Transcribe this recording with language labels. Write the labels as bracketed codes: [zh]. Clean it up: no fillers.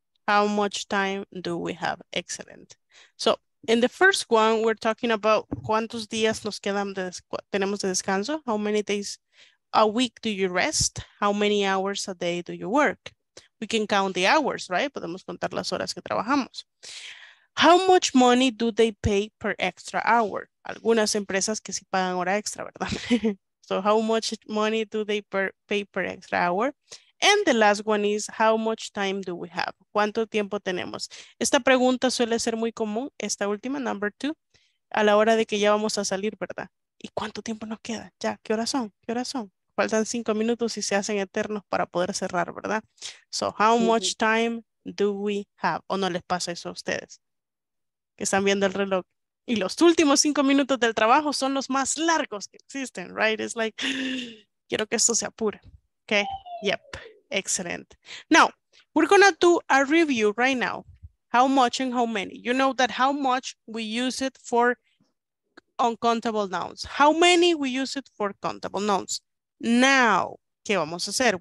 [en] How much time do we have? Excellent. So in the first one, we're talking about [es] cuántos días nos quedan tenemos de descanso. [en] How many days a week do you rest? How many hours a day do you work? We can count the hours, right? [es] Podemos contar las horas que trabajamos. [en] How much money do they pay per extra hour? [es] Algunas empresas que sí pagan hora extra, ¿verdad? [en] So how much money do they pay per extra hour? And the last one is how much time do we have? [es] ¿Cuánto tiempo tenemos? Esta pregunta suele ser muy común, esta última, number 2, a la hora de que ya vamos a salir, ¿verdad? ¿Y cuánto tiempo nos queda? ¿Ya? ¿Qué horas son? ¿Qué horas son? Faltan 5 minutos y se hacen eternos para poder cerrar, ¿verdad? [en] So, how much time do we have? [es] ¿O no les pasa eso a ustedes? Que están viendo el reloj. Y los últimos 5 minutos del trabajo son los más largos que existen, right? [en] It's like, [es] quiero que esto se apure. [en] Okay, yep, excellent. Now, we're gonna do a review right now. How much and how many. You know that how much we use it for uncountable nouns. How many we use it for countable nouns. Now, [es] ¿Qué vamos a hacer?